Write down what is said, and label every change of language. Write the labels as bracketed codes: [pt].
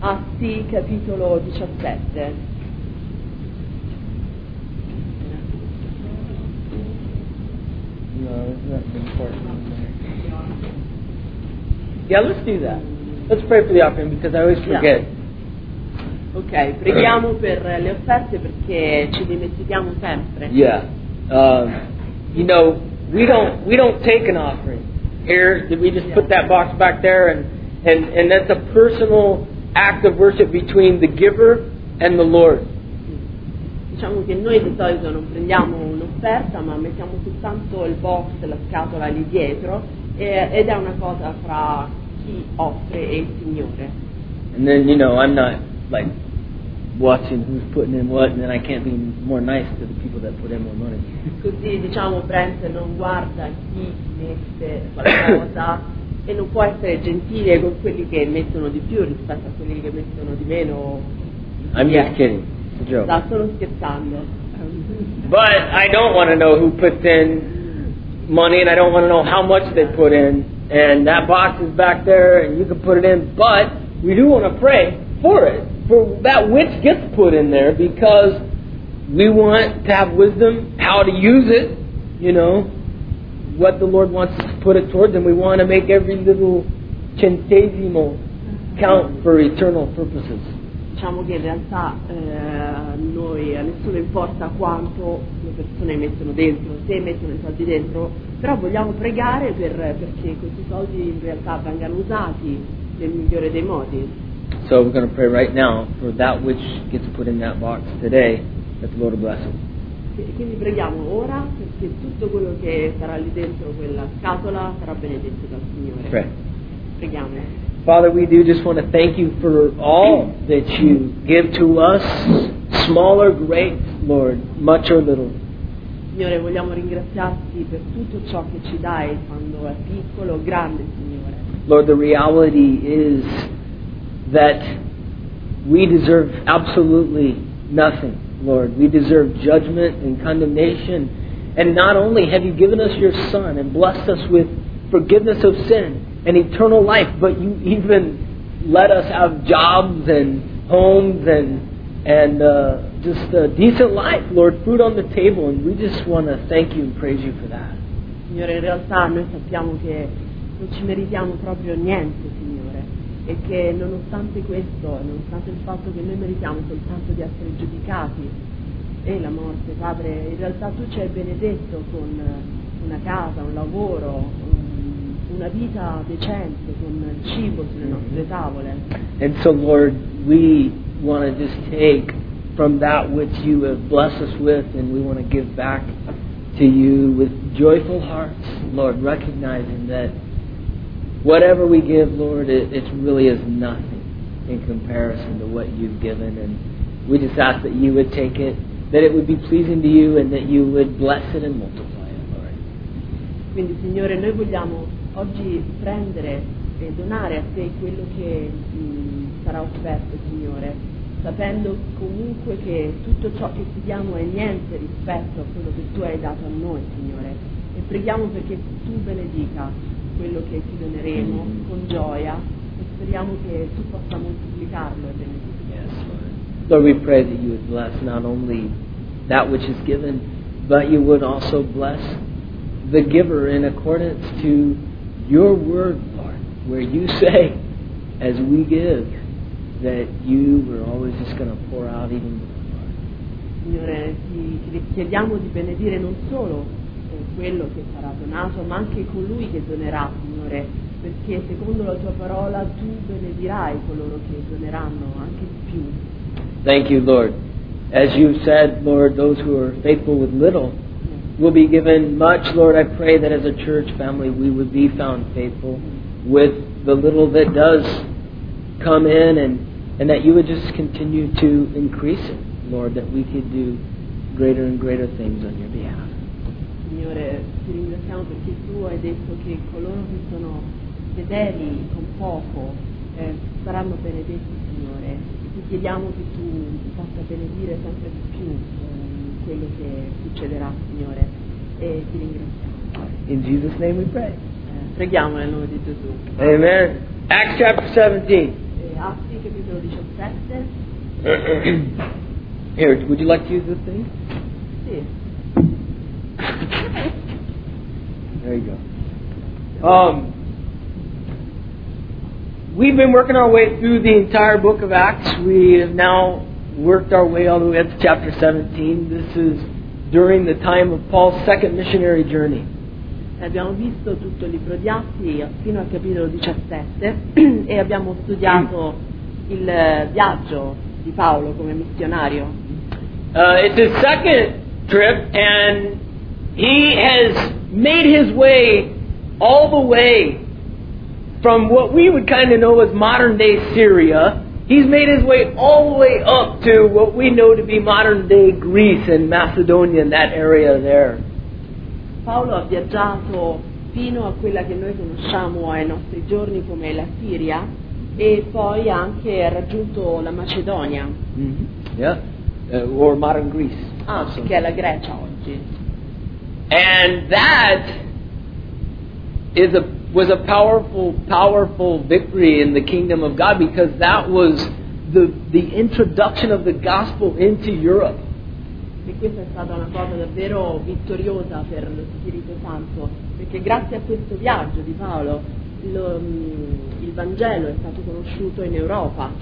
[it] Atti capitolo 17. [en] No, that's important. Yeah, let's do that. Let's pray for the offering because I always forget. No. [it] Okay, preghiamo per le offerte perché ci dimentichiamo sempre. [en] You know, we don't take an offering here. Did we just put that box back there and that's a personal act of worship between the giver and the Lord. [it] Diciamo che noi di solito non prendiamo un'offerta, ma mettiamo soltanto il box, la scatola lì dietro, ed è una cosa fra chi offre e il Signore. [en] And then, you know, I'm not like watching who's putting in what, and then I can't be more nice to the people that put in more money. [it] Così diciamo Brent non guarda chi mette qualcosa e non può essere gentile con quelli che mettono di più rispetto a quelli che mettono di meno. [en] I'm just kidding. It's a joke. [it] Sta solo scherzando. [en] But I don't want to know who puts in money and I don't want to know how much they put in, and that box is back there and you can put it in, but we do want to pray for it, for that which gets put in there, because we want to have wisdom how to use it, you know. what the Lord wants to put it towards, and we want to make every little centesimo count for eternal purposes. [it] Diciamo che in realtà noi a nessuno importa quanto le persone mettono dentro, se mettono i soldi dentro, però vogliamo pregare perché questi soldi in realtà vengano usati nel migliore dei modi. [en] So we're going to pray right now for that which gets put in that box today, that the Lord will bless it. [it] Quindi preghiamo ora perché tutto quello che sarà lì dentro quella scatola sarà benedetto dal Signore. [en] Pray. [it] Preghiamo. [en] Father, we do just want to thank you for all that you give to us, small or great, Lord, much or little. [it] Signore, vogliamo ringraziarti per tutto ciò che ci dai quando è piccolo o grande, Signore. [en] Lord, the reality is that we deserve absolutely nothing, Lord. We deserve judgment and condemnation. And not only have you given us your Son and blessed us with forgiveness of sin and eternal life, but you even let us have jobs and homes and just a decent life, Lord, food on the table, and we just want to thank you and praise you for that. [it] Signore, in realtà noi sappiamo che non ci meritiamo proprio niente, Signore, e che nonostante questo, nonostante il fatto che noi meritiamo soltanto di essere giudicati e la morte, Padre, in realtà tu ci hai benedetto con una casa, un lavoro, una vita decente, con cibo sulle nostre tavole. [en] And so, Lord, we want to just take from that which you have blessed us with, and we want to give back to you with joyful hearts, Lord, recognizing that whatever we give, Lord, it really is nothing in comparison to what you've given. And we just ask that you would take it, that it would be pleasing to you, and that you would bless it and multiply it, Lord. [it] Quindi, Signore, noi vogliamo oggi prendere e donare a te quello che sarà offerto, Signore, sapendo comunque che tutto ciò che ti diamo è niente rispetto a quello che tu hai dato a noi, Signore, e preghiamo perché tu benedica quello che ti doneremo con gioia e speriamo che tu possa moltiplicarlo e benedire. [en] Yes, Lord. Lord, we pray that you would bless not only that which is given, but you would also bless the giver in accordance to your word, Lord, where you say, as we give, that you were always just going to pour out even more, Lord. [it] Signore, ti chiediamo di benedire non solo quello che sarà donato, ma anche colui che donerà, Signore, perché secondo la tua parola tu benedirai coloro che doneranno anche di più. [en] Thank you, Lord. As you said, Lord, those who are faithful with little will be given much, Lord. I pray that as a church family we would be found faithful with the little that does come in, and that you would just continue to increase it, Lord, that we could do greater and greater things on your behalf. [it] Signore, ti ringraziamo perché tu hai detto che coloro che sono fedeli con poco saranno benedetti, Signore. Ti chiediamo che tu possa benedire sempre di più quello che succederà, Signore, e ti ringraziamo. [en] In Jesus' name we pray. [it] Preghiamo nel nome di Gesù. [en] Amen. Acts chapter 17. [it] Atti capitolo 17. [en] Here, would you like to use this thing? [it] Sì. [en] There you go. We've been working our way through the entire book of Acts. We have now worked our way all the way up to chapter 17. This is during the time of Paul's second missionary journey. [it] Abbiamo visto tutto il libro di Atti fino al capitolo 17 e abbiamo studiato il viaggio di Paolo come missionario. [en] It's his second trip, and he has made his way all the way from what we would kind of know as modern day Syria. He's made his way all the way up to what we know to be modern-day Greece and Macedonia and that area there. [it] Paolo ha viaggiato fino a quella che noi conosciamo ai nostri giorni come la Siria e poi anche ha raggiunto la Macedonia. [en] Mm-hmm. Yeah, or modern Greece. [it] Ah, che è la Grecia oggi. [en] And that is a was a powerful, powerful victory in the kingdom of God, because that was the introduction of the gospel into Europe. [it] E questa è stata una cosa davvero vittoriosa per lo Spirito Santo, perché grazie a questo viaggio di Paolo il Vangelo è stato conosciuto in Europa.